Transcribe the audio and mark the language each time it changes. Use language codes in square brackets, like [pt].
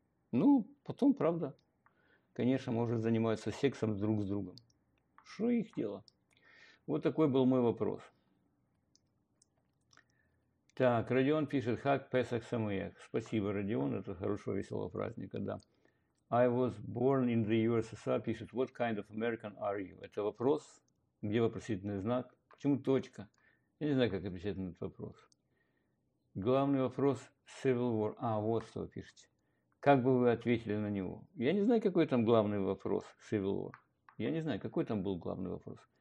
[ru] Ну, потом, правда, конечно, может заниматься сексом друг с другом. Что их дело? Вот такой был мой вопрос. Так, Родион пишет, хак Песах Самуэх. Спасибо, Родион, это хорошего, веселого праздника, да. [en] I was born in the USSR, [ru] пишет, [en] what kind of American are you? [ru] Это вопрос, где вопросительный знак, почему точка? Я не знаю, как отвечать на этот вопрос. Главный вопрос Civil War. А, вот что вы пишете. Как бы вы ответили на него? Я не знаю, какой там главный вопрос Civil War. Я не знаю, какой там был главный вопрос.